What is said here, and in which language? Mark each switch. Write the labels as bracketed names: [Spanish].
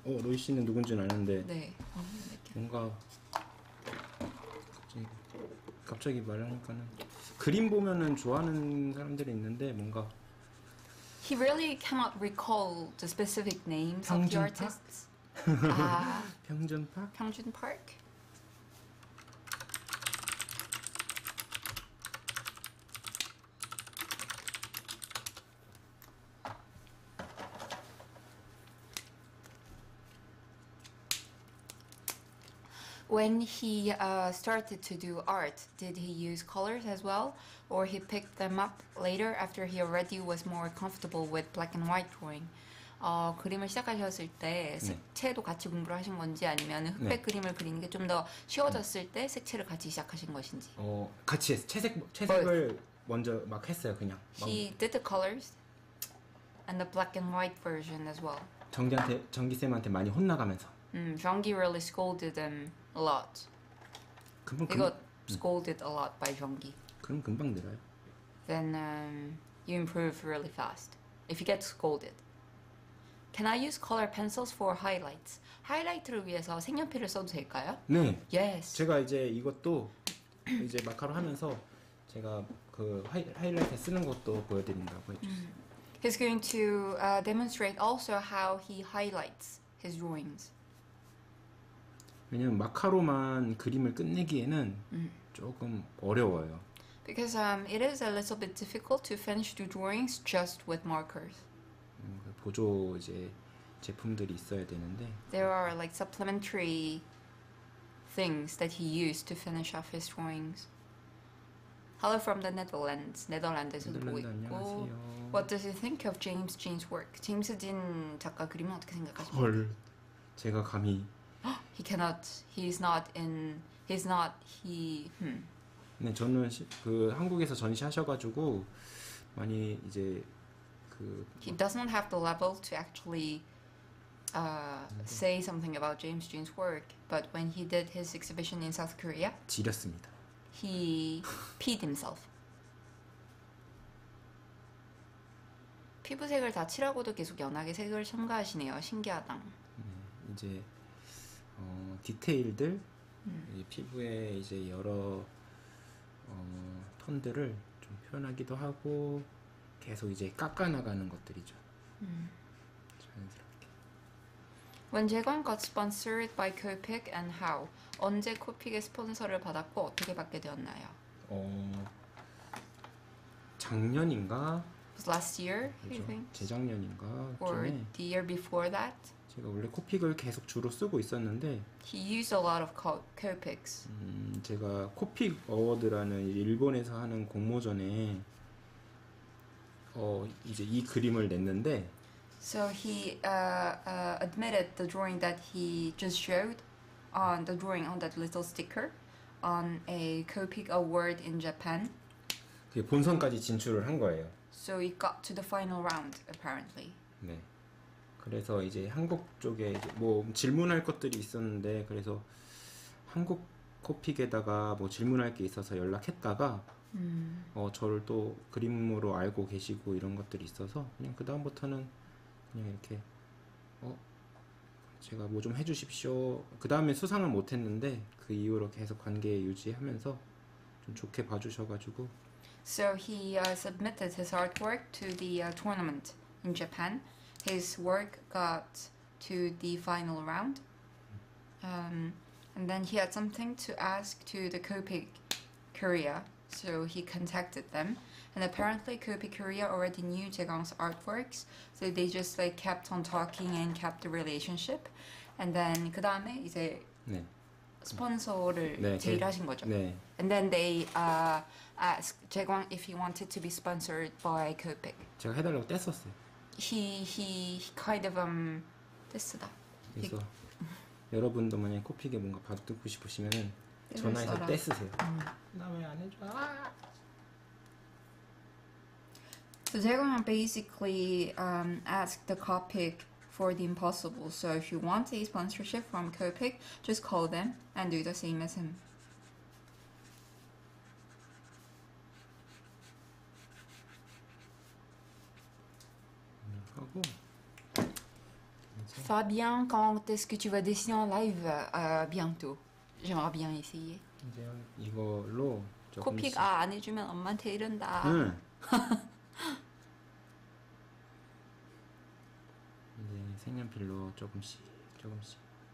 [Korean] 로이시는 누군지는 아는데. 네. 뭔가. 갑자기 말하니까는 그림 보면은 좋아하는 사람들이 있는데 뭔가 [English] He really cannot recall the specific names of the artists. [Korean] 평준파? 평준파? [English] When he started to do art, did he use colors as well, or he picked them up later after he already was more comfortable with black and white drawing? [Korean] 그림을 시작하셨을 때 색채도 네. 같이 공부를 하신 건지 아니면 흑백 네. 그림을 그리는 게 좀 더 쉬워졌을 네. 때 색채를 같이 시작하신 것인지? 같이 했어요. 채색을 [English] But [Korean] 먼저 막 했어요, 그냥. 막. [English] He did the colors and the black and white version as well. [Korean] 전기쌤한테 많이 혼나가면서. [English] Jeonggi really scolded him a lot. [Korean] 금방 [English] got scolded a lot by Jeonggi. [Korean] 그럼 금방 늘어요. [English] Then you improve really fast if you get scolded. Can I use color pencils for highlights? [Korean] 하이라이트를 위해서 색연필을 써도 될까요? 네. [English] Yes. [Korean] 제가 이제 이것도 이제 마카로 하면서 제가 그 하이라이트 쓰는 것도 보여드린다고 해주세요. [English] He's going to demonstrate also how he highlights his drawings. [Korean] 왜냐면 마카로만 그림을 끝내기에는 조금 어려워요. [English] Because it is a little bit difficult to finish the drawings just with markers. [Korean] 보조 이제 제품들이 있어야 되는데. [English] There are like supplementary things that he used to finish off his drawings. Hello from the Netherlands. [Korean] Netherlands에서도 보고 있고. [English] What does you think of James Jean's work? [Korean] 제임스 딘 작가 그림은 어떻게 생각하십니까? 헐, 제가 감히. [English] He cannot. He is not in. He is not. He. [Korean] 네, 저는 그 한국에서 전시하셔가지고 많이 이제 그. [English] He does not have the level to actually say something about James Jean's work. But when he did his exhibition in South Korea, [Korean] 지렸습니다. [English] He peed himself. [Korean] 피부색을 다 칠하고도 계속 연하게 색을 첨가하시네요. 신기하당. 이제. 디테일들 피부에 이제 여러 톤들을 좀 표현하기도 하고 계속 이제 깎아 나가는 것들이죠. 자연스럽게. [English] When Jaegwon got sponsored by Copic and how? [Korean] 언제 코픽의 스폰서를 받았고 어떻게 받게 되었나요? 작년인가? [English] Last year, I think. [Korean] 재작년인가? [English] Or the year before that? [Korean] 제가 원래 코픽을 계속 주로 쓰고 있었는데 [English] He used a lot of Copics. [Korean] 제가 코픽 어워드라는 일본에서 하는 공모전에 이제 이 그림을 냈는데 [English] So he admitted the drawing that he just showed on the drawing on that little sticker on a Copic award in Japan. [Korean] 그게 본선까지 진출을 한 거예요. [English] So he got to the final round apparently. [Korean] 네. 그래서 이제 한국 쪽에 이제 뭐 질문할 것들이 있었는데 그래서 한국 코픽에다가 뭐 질문할 게 있어서 연락했다가 저를 또 그림으로 알고 계시고 이런 것들이 있어서 그냥 그 다음부터는 그냥 이렇게 제가 뭐 좀 해주십시오 그 다음에 수상을 못했는데 그 이후로 계속 관계 유지하면서 좀 좋게 봐주셔가지고 [English] So he submitted his artwork to the tournament in Japan. His work got to the final round, and then he had something to ask to the Copic Korea So he contacted them, and apparently Kobe Korea already knew Jaegang's artworks. So they just like kept on talking and kept the relationship. And then [Korean] 그 다음에 이제 네. 스폰서를 네, 제의를 하신 거죠. 네. [English] And then they asked Jaegang if he wanted to be sponsored by Copic. [Korean] 제가 해달라고 뗐었어요. [English] He kind of [Korean] 뗐어다. 그래서 여러분도 만약 코픽에 뭔가 받고 싶으시면 전화해서 떼쓰세요. 나 왜 안 해줘? [English] So Jaegang basically asked the Copic for the impossible. So if you want a sponsorship from Copic, just call them and do the same as him. [Korean] 하고. [French] Fabien, quand est-ce que tu vas dessiner en live bientôt? J'aimerais bien essayer. [Korean] 이제 이걸로 조금씩. 코픽 아, 안 해주면 엄마한테 이른다. 응. 이제 색연필로 조금씩 조금씩.